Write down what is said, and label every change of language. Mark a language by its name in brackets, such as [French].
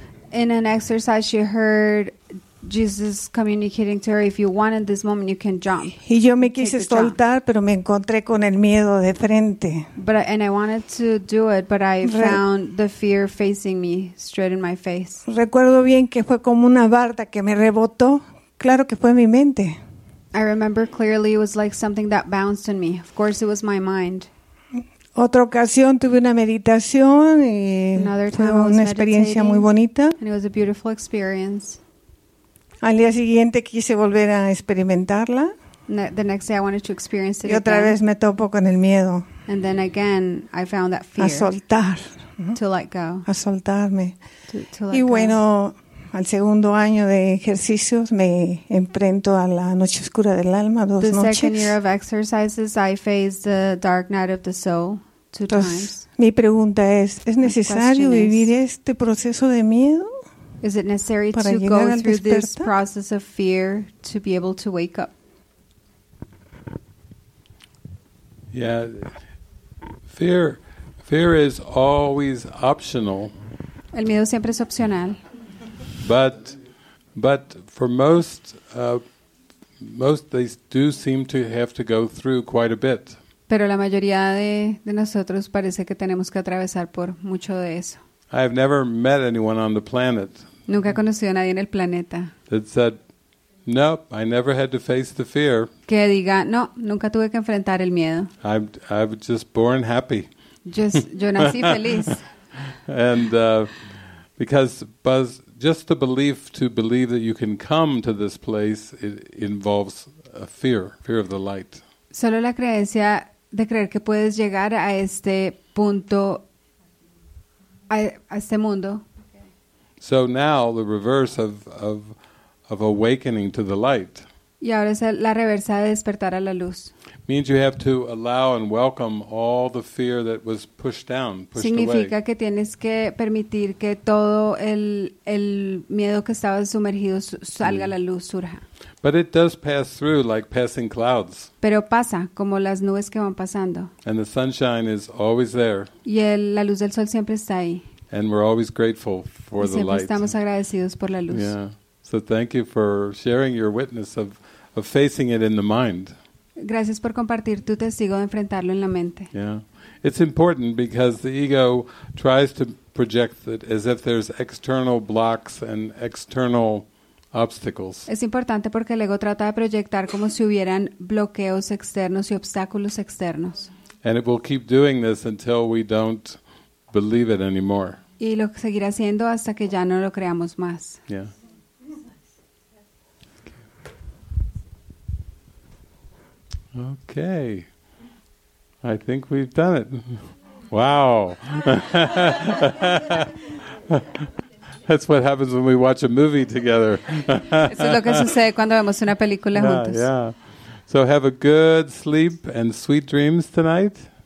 [English] In an exercise, she heard Jesus communicating to her, if you want in this moment, you can jump. [Spanish] Y yo me quise soltar, pero me encontré con el miedo de frente. [English] And I wanted to do it, but I found the fear facing me straight in my face. [Spanish] Recuerdo bien que fue como una barda que me rebotó. Claro que fue mi mente. [English] I remember clearly it was like something that bounced in me. Of course, it was my mind. [Spanish] Otra ocasión tuve una meditación y fue una experiencia muy bonita. [English] And it was a beautiful experience. [Spanish] Al día siguiente quise volver a experimentarla. [English] The next day I wanted to experience it again. [Spanish] Y otra vez me topo con el miedo. [English] And then again I found that fear. [Spanish] A soltar. To let go. A soltarme. Y bueno, al segundo año de ejercicios me enfrento a la noche oscura del alma, dos noches. [English] The second year of exercises I face the dark night of the soul two times. [Spanish] Mi pregunta es necesario vivir este proceso de miedo? [English] Is it necessary to go through this process of fear to be able to wake up? Yeah, fear is always optional. [Spanish] El miedo siempre es opcional. [English] But for most they do seem to have to go through quite a bit. [Spanish] Pero la mayoría de nosotros parece que tenemos que atravesar por mucho de eso. [English] I have never met anyone on the planet. [Spanish] Nunca he conocido a nadie en el planeta. [English] That said, nope, I never had to face the fear. [Spanish] Que diga, no, nunca tuve que enfrentar el miedo. [English] I was just born happy. [Spanish] Yo nací feliz. [English] And because Buzz, just the belief to believe that you can come to this place, it involves a fear of the light. [Spanish] Solo la creencia de creer que puedes llegar a este punto, a este mundo. [English] So now the reverse of awakening to the light. [Spanish] Y ahora es la reversa de despertar a la luz. [English] Means you have to allow and welcome all the fear that was pushed down, pushed [Spanish] Significa [English] away. [Spanish] Que tienes que permitir que todo el miedo que estaba sumergido salga a la luz, surja. [English] But it does pass through like passing clouds. [Spanish] Pero pasa como las nubes que van pasando. [English] And the sunshine is always there. [Spanish] Y la luz del sol siempre está ahí. [English] And we're always grateful for the light. [Spanish] Y siempre estamos agradecidos por la luz. [English] Yeah. So thank you for sharing your witness of facing it in the mind. [Spanish] Gracias por compartir tu testigo de enfrentarlo en la mente. [English] Yeah. It's important because the ego tries to project it as if there's external blocks and external obstacles. [Spanish] Es importante porque el ego trata de proyectar como si hubieran bloqueos externos y obstáculos externos. [English] And it will keep doing this until we don't believe it anymore. [Spanish] Y lo seguirá haciendo hasta que ya no lo creamos más. [English] Yeah. Okay. I think we've done it. Wow. That's what happens when we watch a movie together. [Spanish] Eso es lo que sucede cuando vemos una película juntos. [English] Yeah. So have a good sleep and sweet dreams tonight.